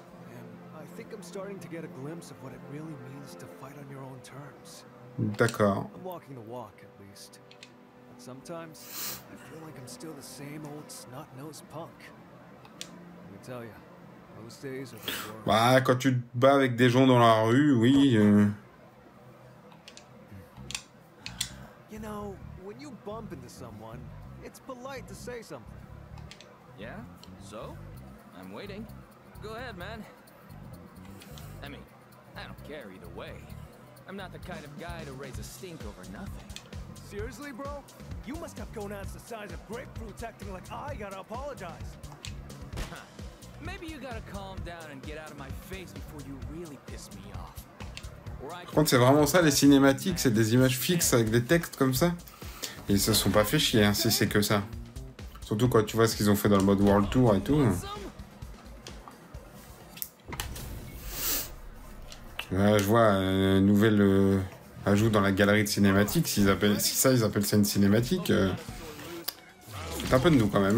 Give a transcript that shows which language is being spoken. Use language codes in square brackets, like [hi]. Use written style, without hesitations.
[en] And I think I'm starting to get a glimpse of what it really means to fight on your own terms. [fr] D'accord. [en] I'm walking the walk, at least. But sometimes, I feel like I'm still the same old snot-nosed punk. Let me tell you, those days are the worst. [fr] Bah, quand tu te bats avec des gens dans la rue, oui. [en] You know, when you bump into someone, it's polite to say something. Yeah? So? I'm waiting. Go ahead, man. I mean, I don't care either way. I'm not the kind of guy to raise a stink over nothing. Seriously, bro? You must have gonads the size of grapefruits acting like I gotta apologize. Huh. Maybe you gotta calm down and get out of my face before you really piss me off. Or I... [fr] Par contre, c'est vraiment ça, les cinématiques, c'est des images fixes avec des textes comme ça. Ils se sont pas fait chier, hein, si c'est que ça. Surtout quand tu vois ce qu'ils ont fait dans le mode World Tour et tout. Là, je vois une nouvelle ajoute dans la galerie de cinématiques, s'ils appellent ça une cinématique, c'est un peu de nous quand même.